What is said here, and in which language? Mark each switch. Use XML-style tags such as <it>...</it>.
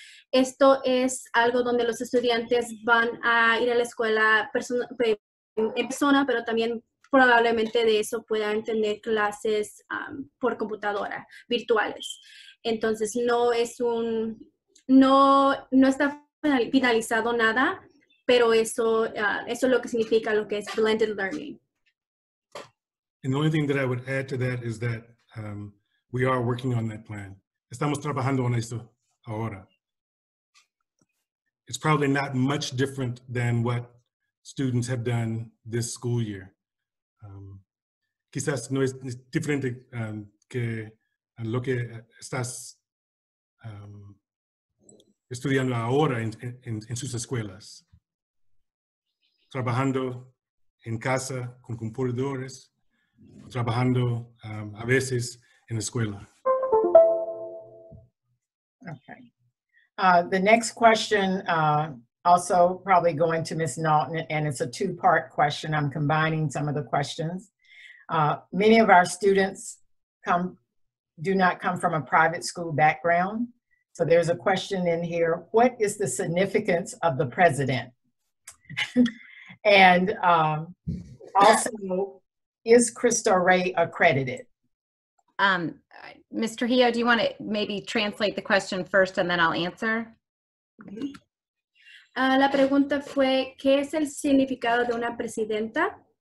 <es>Esto es algo donde los estudiantes van a ir a la escuela en persona, pero también probablemente de eso puedan tener clases por computadora, virtuales. Entonces, no está finalizado nada, pero eso es lo que significa lo que es blended learning.</es> <en>And the only thing that I would add to that is that we are working on that plan.</en> <es>Estamos trabajando en eso ahora.</es> <en>It's probably not much different than what students have done this school year.</en> <es>quizás no es diferente que lo que estás estudiando ahora en sus escuelas, trabajando en casa con computadores, trabajando a veces en la escuela.</es> <en>Okay. The next question, also probably going to Ms. Naughton, and it's a two-part question. I'm combining some of the questions. Many of our students do not come from a private school background. So there's a question in here, what is the significance of the president? And also, is Crystal Ray accredited? Mr. Hio, do you want to maybe translate the question first and then I'll answer?</en> <es>La pregunta fue, ¿qué es el significado de una presidenta?</es>